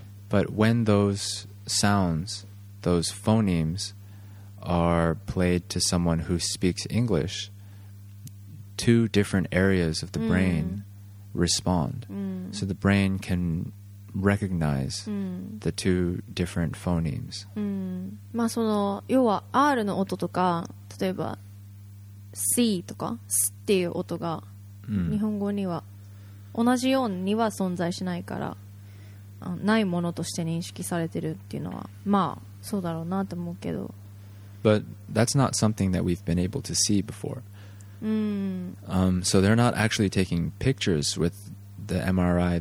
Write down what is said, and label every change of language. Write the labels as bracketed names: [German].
[English] But when those sounds, those phonemes, are played to someone who speaks English, two different areas of the brain respond. So the brain can recognize the two different phonemes. [Japanese] まあその要はRの音とか、例えばCとかSっていう音が日本語には同じようには存在しないから、ないものとして認識されてるっていうのは、まあそうだろうなと思うけど。 [English] But that's not something that we've been able to see before. So they're not actually taking pictures with the MRI.